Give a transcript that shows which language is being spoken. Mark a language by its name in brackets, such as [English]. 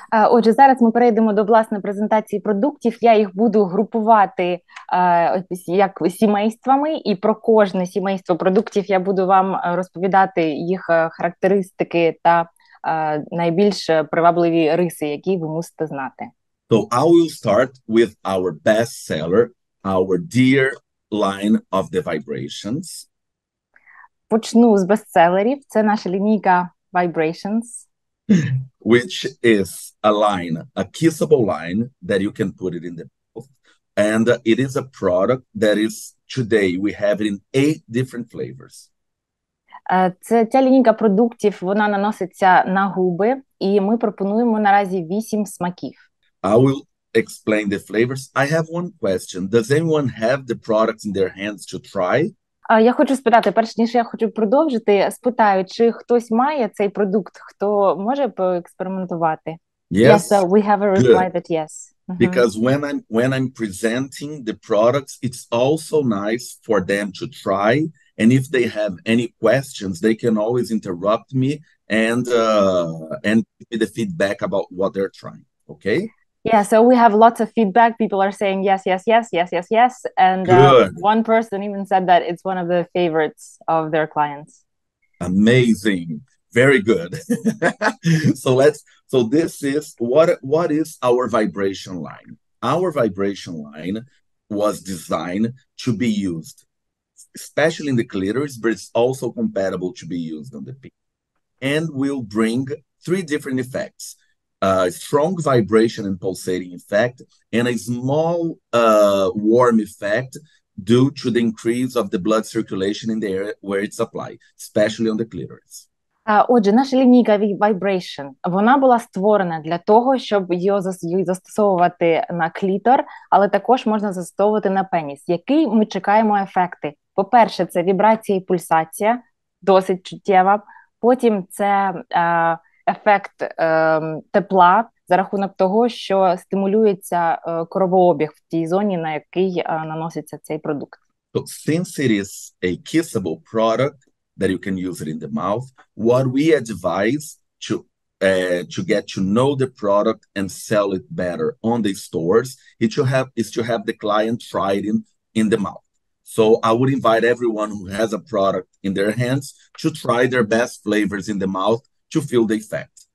[Ukrainian] Отже, зараз ми перейдемо до власної презентації продуктів. Я їх буду групувати як сімействами, і про кожне сімейство продуктів я буду вам розповідати їх характеристики та найбільш привабливі риси, які ви мусите знати. [English] So I will start with our best seller, our dear line of the vibrations. [Ukrainian] Почну з бестселерів. Це наша лінійка vibrations, [English] which is a line, a kissable line that you can put it in the mouth. And it is a product that is today we have it in 8 different flavors. [Ukrainian] Це ця лінійка продуктів, вона наноситься на губи, і ми пропонуємо наразі 8 смаків. [English] I will explain the flavors. I have one question. Does anyone have the products in their hands to try? [Ukrainian] Я хочу спитати, перш ніж я хочу продовжити, спитаю, чи хтось має цей продукт, хто може поекспериментувати? [English] Yes, yes, so we have a reply. Good. That yes. Because when I'm presenting the products, it's also nice for them to try And if they have any questions, they can always interrupt me and give me the feedback about what they're trying. Okay? Yeah, so we have lots of feedback. People are saying yes, yes, yes, yes, yes, yes. And one person even said that it's one of the favorites of their clients. Amazing. Very good. So this is what is our vibration line? Our vibration line was designed to be used, especially in the clitoris, but it's also compatible to be used on the penis. And will bring three different effects: a strong vibration and pulsating effect, and a small warm effect due to the increase of the blood circulation in the area where it's applied, especially on the clitoris. [Ukrainian] Отже, наша лінійка Vibration, вона була створена для того, щоб її застосовувати на клітор, але також можна застосовувати на пеніс. Які ми чекаємо ефекти? По-перше, це вібрація і пульсація, досить чуттєва. Потім це ефект тепла за рахунок того, що стимулюється кровообіг в тій зоні, на який наноситься цей продукт. [English] So, since it is a kissable product that you can use it in the mouth, what we advise to get to know the product and sell it better on the stores is to have the client try it in the mouth. So I would invite everyone who has a product in their hands to try their best flavors in the mouth to feel the effect.